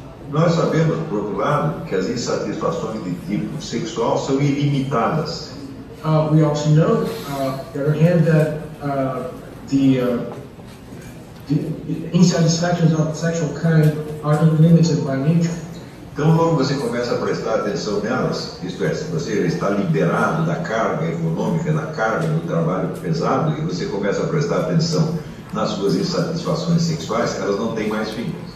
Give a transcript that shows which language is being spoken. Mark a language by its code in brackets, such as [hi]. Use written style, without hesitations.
[pt] Nós sabemos, por outro lado, que as insatisfações de tipo sexual são ilimitadas. [en] We also know, on the other hand, that the insatisfactions of sexual kind are unlimited by nature. [pt] Então, logo você começa a prestar atenção nelas, isto é, se você está liberado da carga econômica, da carga do trabalho pesado, e você começa a prestar atenção nas suas insatisfações sexuais, elas não têm mais fim.